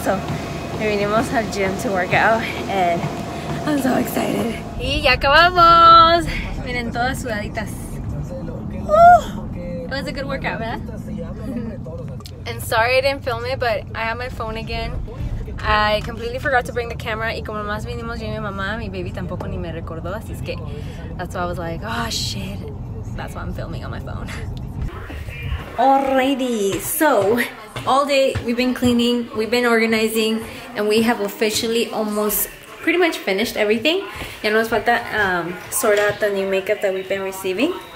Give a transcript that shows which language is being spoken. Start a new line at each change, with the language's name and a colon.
English: So
Spanish: me vinimos al
English: gym to work out and I'm so excited.
Spanish: Y ya acabamos. Miren todas sudaditas.
English: It was a good workout,
Spanish: ¿verdad?
English: And sorry I didn't film it, but I have my phone again. I completely forgot to bring the camera.
Spanish: Y como nomás vinimos yo y mi mamá, mi baby tampoco ni me recordó. Así es que,
English: that's why I was like, oh shit. That's why I'm filming on my phone. Alrighty, so all day we've been cleaning, we've been organizing, and we have officially almost pretty much finished everything.
Spanish: Ya nos falta
English: sort out the new makeup that we've been receiving.